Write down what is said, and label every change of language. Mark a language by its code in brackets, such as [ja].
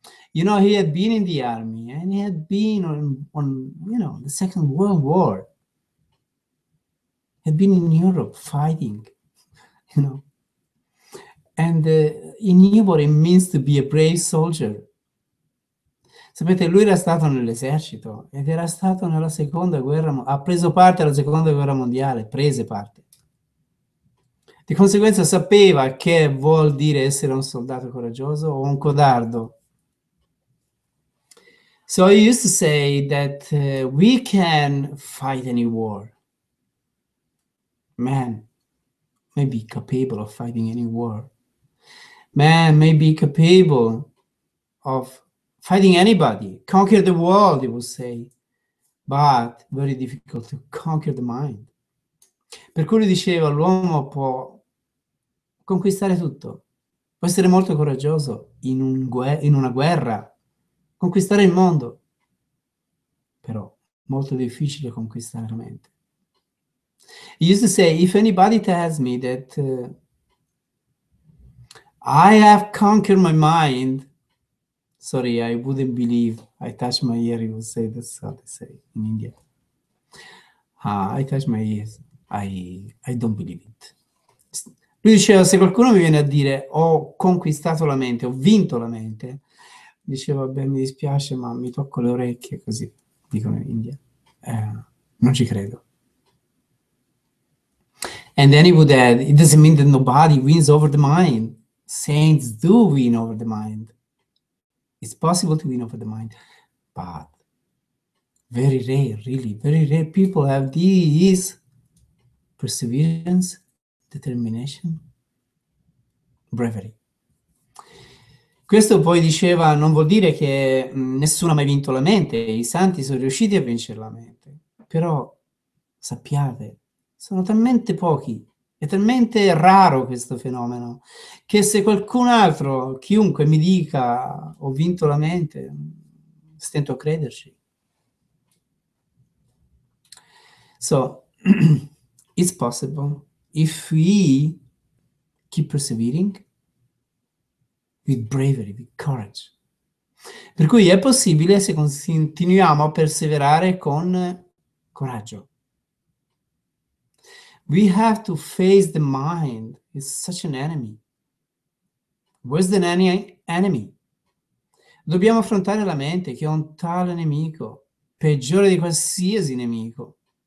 [en] You know, he had been in the army and he had been on you know, the Second World War. He had been in Europe fighting, you know. And he knew what it means to be a brave soldier. [it] Sapete, lui era stato nell'esercito ed era stato nella seconda guerra, ha preso parte alla seconda guerra mondiale, prese parte. Di conseguenza sapeva che vuol dire essere un soldato coraggioso o un codardo. [en] So he used to say that we can fight any war. Man may be capable of fighting any war. Man may be capable of fighting anybody, conquer the world, he would say, but very difficult to conquer the mind. [it] Per cui diceva, l'uomo può conquistare tutto, può essere molto coraggioso in una guerra, conquistare il mondo, però molto difficile conquistare la mente. [en] He used to say, if anybody tells me that I have conquered my mind, sorry, I wouldn't believe, I touch my ear, he would say, that's how they say in India. I touch my ears, I don't believe it. [it] Lui diceva, se qualcuno mi viene a dire, ho conquistato la mente, ho vinto la mente, diceva, beh, mi dispiace, ma mi tocco le orecchie, così dicono in India. Non ci credo. [en] And then he would add, it doesn't mean that nobody wins over the mind. Saints do win over the mind. It's possible to win over the mind, but very rare, really, very rare people have these perseverance, determination, bravery. [it] Questo poi diceva, non vuol dire che nessuno ha mai vinto la mente, i santi sono riusciti a vincere la mente, però sappiate, sono talmente pochi, è talmente raro questo fenomeno, che se qualcun altro, chiunque mi dica, ho vinto la mente, stento a crederci. [en] So, it's possible if we keep persevering with bravery, with courage. [it] Per cui è possibile se continuiamo a perseverare con coraggio. [en] We have to face the mind. It's such an enemy. Worse than any enemy. [it] Dobbiamo affrontare la mente, che è un tale nemico, peggiore di qualsiasi nemico.